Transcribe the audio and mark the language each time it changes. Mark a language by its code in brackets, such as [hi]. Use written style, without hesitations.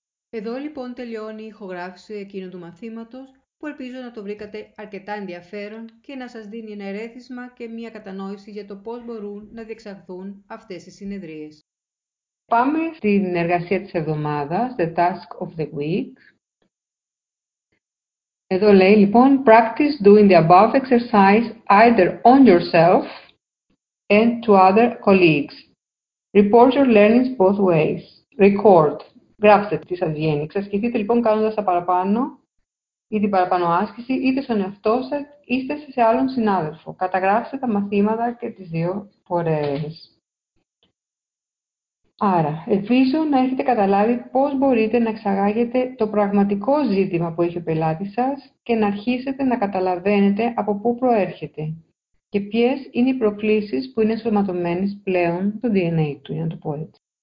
[el] Εδώ λοιπόν τελειώνει η ηχογράφηση εκείνου του μαθήματος που ελπίζω να το βρήκατε αρκετά ενδιαφέρον και να σας δίνει ένα ερέθισμα και μια κατανόηση για το πώς μπορούν να διεξαχθούν αυτές οι συνεδρίες. Πάμε στην εργασία της εβδομάδας, [en] the task of the week. [el] Εδώ λέει λοιπόν, [en] practice doing the above exercise either on yourself and to other colleagues. Report your learnings both ways. Record. [el] Γράψτε τι σας βγαίνει. Εξασκηθείτε λοιπόν κάνοντας τα παραπάνω ή την παραπάνω άσκηση, είτε στον εαυτό σας, είτε σε άλλον συνάδελφο. Καταγράψτε τα μαθήματα και τις 2 φορές. Άρα, ελπίζω να έχετε καταλάβει πώς μπορείτε να εξαγάγετε το πραγματικό ζήτημα που έχει ο πελάτης σας και να αρχίσετε να καταλαβαίνετε από πού προέρχεται και ποιες είναι οι προκλήσεις που είναι ενσωματωμένες πλέον στο DNA του, για να το πω έτσι.